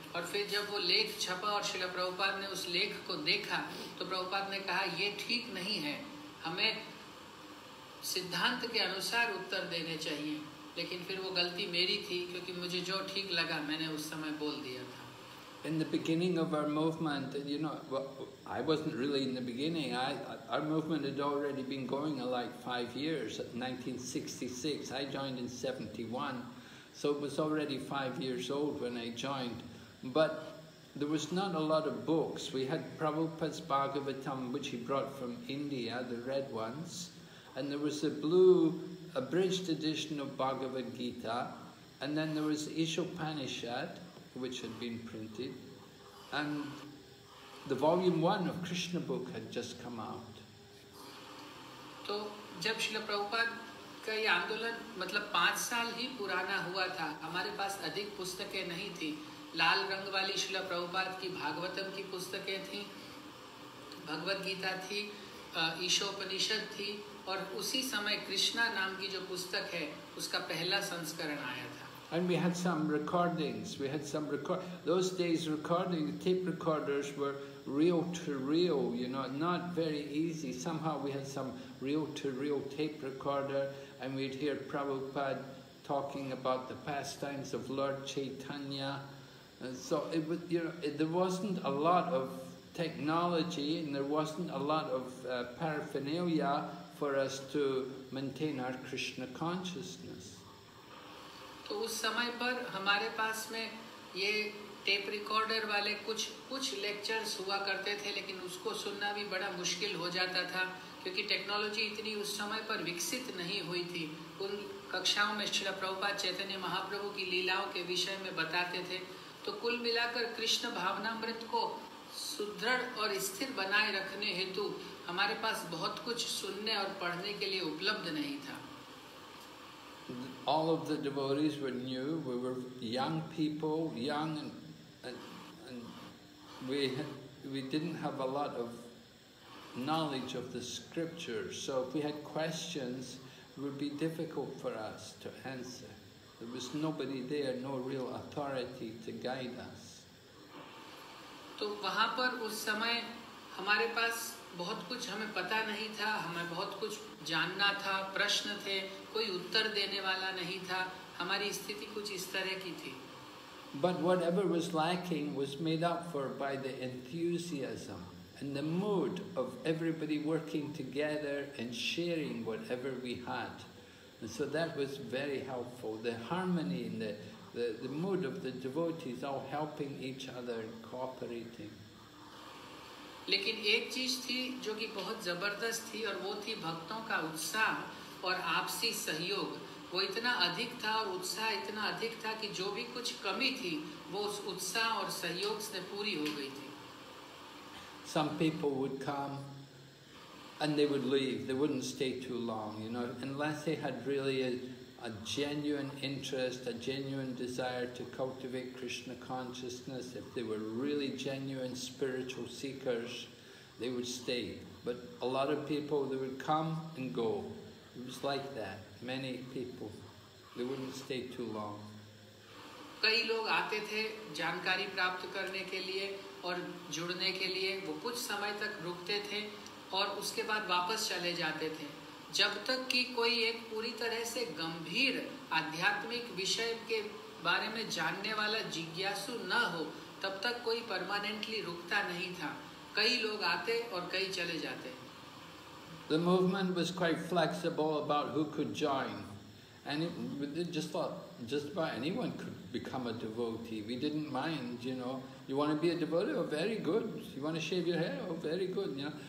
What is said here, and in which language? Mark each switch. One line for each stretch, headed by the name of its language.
Hindi: और फिर जब वो लेख छपा और श्रील प्रभुपाद ने उस लेख को देखा तो प्रभुपाद ने कहा ये ठीक नहीं है, हमें सिद्धांत के अनुसार उत्तर देने चाहिए। लेकिन फिर वो गलती मेरी थी क्योंकि मुझे जो ठीक लगा मैंने उस समय बोल दिया था।
English: In the beginning of our movement, you know, well, I wasn't really in the beginning. Our movement had already been going like 5 years, 1966. I joined in 71. So it was already 5 years old when I joined. But there was not a lot of books. We had Prabhupada's Bhagavatam, which he brought from India, the red ones. And there was a blue, abridged edition of Bhagavad Gita. And then there was Ishopanishad, which had been printed, and the volume one of Krishna book had just come out.
Hindi: तो जब श्रील प्रभुपाद का ये आंदोलन मतलब 5 साल ही पुराना हुआ था, हमारे पास अधिक पुस्तकें नहीं थी। लाल रंग वाली श्रील प्रभुपाद की भागवतम की पुस्तकें थी, भगवत गीता थी, ईशोपनिषद थी, और उसी समय कृष्णा नाम की जो पुस्तक है उसका पहला संस्करण आया था।
English: And we had some recordings. Those days recording, the tape recorders were reel to reel, you know, not very easy. Somehow we had some reel to reel tape recorder and we'd hear Prabhupada talking about the pastimes of Lord Chaitanya. And so it was, you know, there wasn't a lot of technology and there wasn't a lot of paraphernalia for us to maintain our Krishna consciousness.
Hindi: तो उस समय पर हमारे पास में ये tape recorder वाले कुछ lectures हुआ करते थे लेकिन उसको सुनना भी बड़ा मुश्किल हो जाता था क्योंकि टेक्नोलॉजी इतनी उस समय पर विकसित नहीं हुई थी। उन कक्षाओं में श्रील प्रभुपाद चैतन्य महाप्रभु की लीलाओं के विषय में बताते थे। तो कुल मिलाकर कृष्ण भावनामृत को सुदृढ़ और स्थिर बनाए रखने हेतु हमारे पास बहुत कुछ सुनने और पढ़ने के लिए उपलब्ध नहीं था।
English: All of the devotees were new, we were young people, young and we didn't have a lot of knowledge of the scriptures. So if we had questions, it would be difficult for us to answer. There was nobody there, no real authority to guide us.
Hindi: तो वहाँ पर उस समय हमारे पास बहुत कुछ हमें पता नहीं था, हमें बहुत कुछ जानना था, प्रश्न थे, कोई उत्तर देने वाला नहीं था, हमारी स्थिति कुछ इस तरह की थी।
English: But whatever was lacking was made up for by the enthusiasm and the mood of everybody working together and sharing whatever we had. And so that was very helpful. The harmony and the mood of the devotees all helping each other and cooperating.
Hindi: लेकिन एक चीज थी जो कि बहुत जबरदस्त थी और वो थी भक्तों का उत्साह और आपसी सहयोग। वो इतना अधिक था और उत्साह इतना अधिक था कि जो भी कुछ कमी थी वो उस उत्साह और सहयोग से पूरी हो गई थी।
English: Some people would come and they would leave. They wouldn't stay too long, you know, unless they had really a genuine interest, a genuine desire to cultivate Krishna consciousness. If they were really genuine spiritual seekers, they would stay. But a lot of people, they would come and go. It was like that. Many people, they wouldn't stay too long.
Hindi: कई लोग आते थे जानकारी प्राप्त करने के लिए और जुड़ने के लिए। वो कुछ समय तक रुकते थे और उसके बाद वापस चले जाते थे। जब तक कि कोई एक पूरी तरह से गंभीर आध्यात्मिक विषय के बारे में जानने वाला जिज्ञासु न हो तब तक कोई परमानेंटली रुकता नहीं था। कई लोग आते और कई चले जाते।
English: The movement was quite flexible about who could join. And it just thought just about anyone could become a devotee. We didn't mind, you know. You want to be a devotee? Oh, very good. You want to shave your hair? Oh, very good. You know?